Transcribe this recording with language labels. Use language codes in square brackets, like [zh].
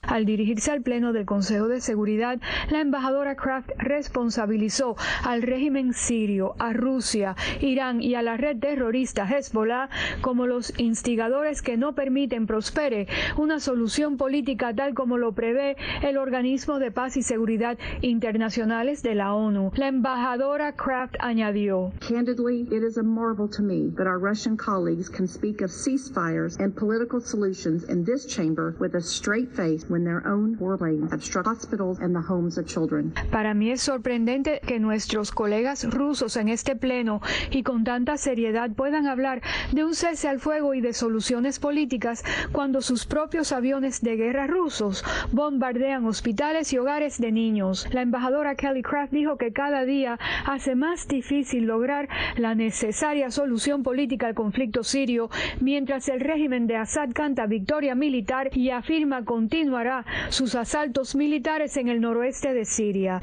[es] Al dirigirse al Pleno del Consejo de Seguridad, la embajadora Kraft responsabilizó al régimen sirio, a Rusia, Irán y a la red terrorista Hezbollah como los instigadores que no permiten prospere una solución política tal como lo prevé el Organismo de Paz y Seguridad Internacionales de la ONU. La embajadora Kraft añadió: [en] Candidly, it is a marvel to me that our Russian colleagues can speak of ceasefires and political solutions in this chamber. With a straight face when their own warplanes obstruct hospitals and the homes of children. [es] Para mí es sorprendente que nuestros colegas rusos en este pleno y con tanta seriedad puedan hablar de un cese al fuego y de soluciones políticas cuando sus propios aviones de guerra rusos bombardean hospitales y hogares de niños. La embajadora Kelly Craft dijo que cada día hace más difícil lograr la necesaria solución política al conflicto sirio mientras el régimen de Assad canta victoria militar y afirma continuará sus asaltos militares en el noroeste de Siria.